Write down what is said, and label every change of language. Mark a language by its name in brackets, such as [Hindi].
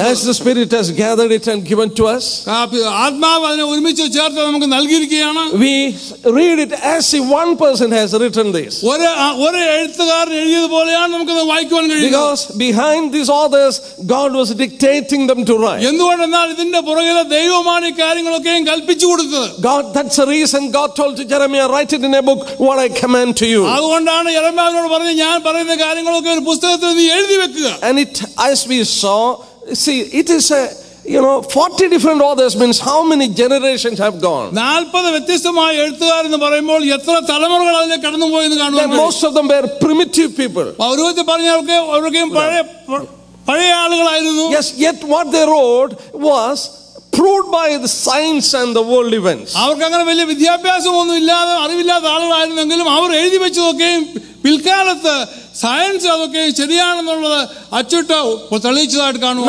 [English] As the Spirit has gathered it and given to us, we read it as if one person has written this. Because behind these authors, God was dictating them to write. God, that's the reason God told to Jeremiah, write it in a book what I command to you. [Malayalam] അതുകൊണ്ടാണ് യിർമ്യാവിനോട് പറഞ്ഞു ഞാൻ പറയുന്ന കാര്യങ്ങളൊക്കെ ഒരു പുസ്തകത്തിൽ നീ എഴുതി വെക്കുക. [English] And it, as we saw, see, it is a, you know, 40 different authors means how many generations have gone. [Malayalam] 40 വ്യത്യസ്തമായ എഴുത്തുകാർ എന്ന് പറയുമ്പോൾ എത്ര തലമുറകൾ അതിനെ കടന്നു പോയി എന്ന് കാണുന്നു. [English] And most of them were primitive people. [Malayalam] അവരൊക്കെ പറഞ്ഞവർക്ക് അവരൊക്കെ പഴയ ആളുകളായിരുന്നു. [English] Yes, yet what they wrote was proved by the science and the world events. [Malayalam] അവർക്കങ്ങനെ വലിയ വിദ്യാഭ്യാസം ഒന്നും ഇല്ലാതെ അറിവില്ലാത്ത ആളുകളായിരുന്നെങ്കിലും അവർ എഴുതി വെച്ചതൊക്കെയും പിൽക്കാലത്ത് സയൻസ് അതൊക്കെ ശരിയാണെന്നുള്ളത് അച്ചുട്ട തെളിയിച്ചതായിട്ട് കാണുന്നു.